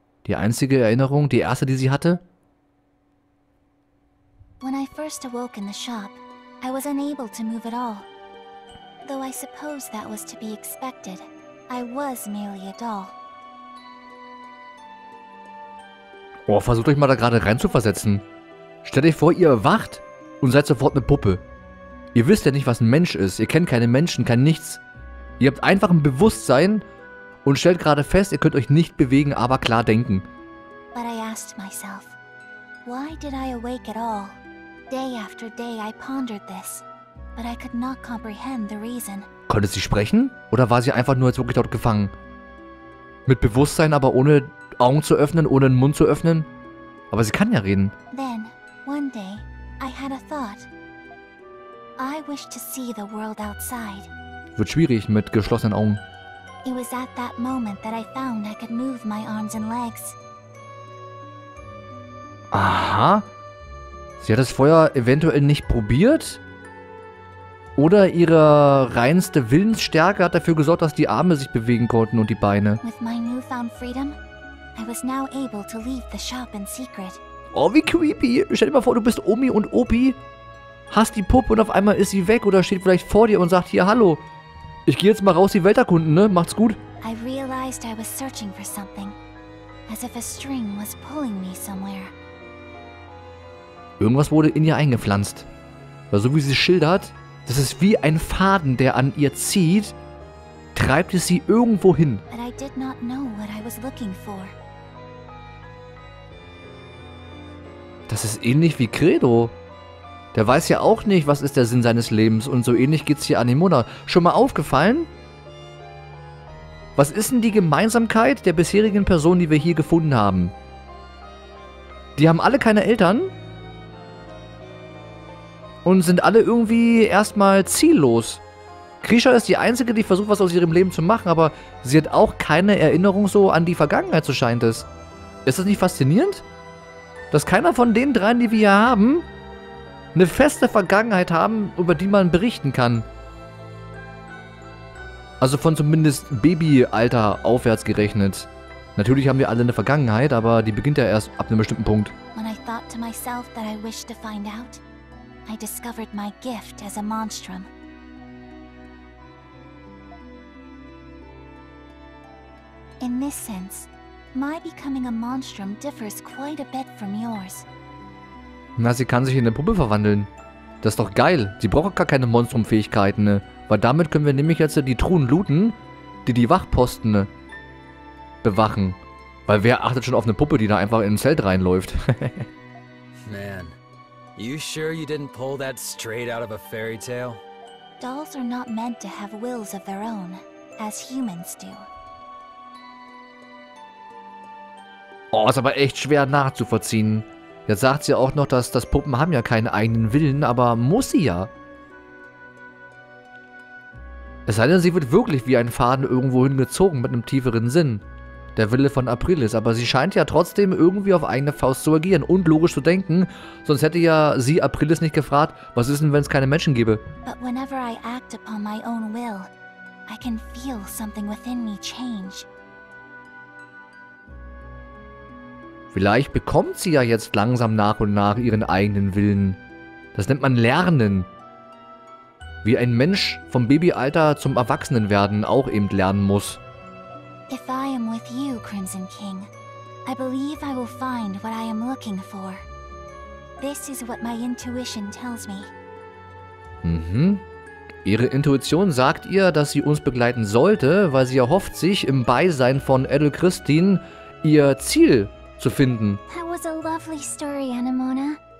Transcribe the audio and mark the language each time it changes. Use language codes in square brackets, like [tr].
[de] Die einzige Erinnerung, die erste, die sie hatte? [en] When I first awoke in the shop, I was unable to move at all. Though I suppose that was to be expected. I was merely a doll. [de] Oh, versucht euch mal da gerade reinzuversetzen. Stellt euch vor, ihr erwacht und seid sofort eine Puppe. Ihr wisst ja nicht, was ein Mensch ist. Ihr kennt keine Menschen, kein Nichts. Ihr habt einfach ein Bewusstsein und stellt gerade fest, ihr könnt euch nicht bewegen, aber klar denken. [en] But I asked myself, why did I awake at all? Day after day I pondered this, but I could not comprehend the reason. [de] Konnte sie sprechen? Oder war sie einfach nur jetzt wirklich dort gefangen? Mit Bewusstsein, aber ohne Augen zu öffnen, ohne den Mund zu öffnen? Aber sie kann ja reden. [en] Then, one day, I had a thought. I wish to see the world outside. [de] Wird schwierig mit geschlossenen Augen. [en] It was at that moment that I found I could move my arms and legs. [de] Aha. Sie hat es vorher eventuell nicht probiert? Oder ihre reinste Willensstärke hat dafür gesorgt, dass die Arme sich bewegen konnten und die Beine. [en] With my newfound freedom, I was now able to leave the shop in secret. [de] Oh, wie creepy. Stell dir mal vor, du bist Omi und Opi, hast die Puppe und auf einmal ist sie weg oder steht vielleicht vor dir und sagt hier Hallo. Ich gehe jetzt mal raus, die Welt erkunden, ne? Macht's gut. [en] I realized I was searching for something. As if a string was pulling me somewhere. [de] Irgendwas wurde in ihr eingepflanzt. Weil so wie sie schildert, das ist wie ein Faden, der an ihr zieht, treibt es sie irgendwo hin. [en] But I did not know what I was looking for. [de] Das ist ähnlich wie Credo. Der weiß ja auch nicht, was ist der Sinn seines Lebens. Und so ähnlich geht's hier an Anemona. Schon mal aufgefallen? Was ist denn die Gemeinsamkeit der bisherigen Personen, die wir hier gefunden haben? Die haben alle keine Eltern. Und sind alle irgendwie erstmal ziellos. Krisha ist die Einzige, die versucht, was aus ihrem Leben zu machen. Aber sie hat auch keine Erinnerung so an die Vergangenheit, so scheint es. Ist das nicht faszinierend? Dass keiner von den dreien, die wir hier haben, eine feste Vergangenheit haben, über die man berichten kann. Also von zumindest Babyalter aufwärts gerechnet. Natürlich haben wir alle eine Vergangenheit, aber die beginnt ja erst ab einem bestimmten Punkt. [en] When I thought to myself that I wished to find out, I discovered my gift as a monstrum. In this sense, my becoming a monstrum differs quite a bit from yours. [de] Na, sie kann sich in eine Puppe verwandeln. Das ist doch geil. Sie braucht gar keine Monstrum-Fähigkeiten, ne? Weil damit können wir nämlich jetzt die Truhen looten, die die Wachposten, ne, bewachen. Weil wer achtet schon auf eine Puppe, die da einfach in ein Zelt reinläuft? Man, [en] You sure you didn't pull that straight out of a fairy tale? Dolls are not meant to have wills of their own, as humans do. [de] Oh, ist aber echt schwer nachzuvollziehen. Jetzt sagt sie auch noch, dass das Puppen haben ja keinen eigenen Willen, aber muss sie ja. Es sei denn, sie wird wirklich wie ein Faden irgendwo hingezogen mit einem tieferen Sinn. Der Wille von April ist, aber sie scheint ja trotzdem irgendwie auf eigene Faust zu agieren und logisch zu denken, sonst hätte ja sie April ist nicht gefragt, was ist denn, wenn es keine Menschen gäbe. [en] But whenever I act upon my own will, I can feel something within me change. [de] Vielleicht bekommt sie ja jetzt langsam nach und nach ihren eigenen Willen. Das nennt man Lernen. Wie ein Mensch vom Babyalter zum Erwachsenenwerden auch eben lernen muss. [en] If I am with you, Crimson King, I believe I will find what I am looking for. This is what my intuition tells me. Mhm. [de] Ihre Intuition sagt ihr, dass sie uns begleiten sollte, weil sie erhofft sich, im Beisein von Edel Christine ihr Ziel zu finden. [en] That was a lovely story, Anemona.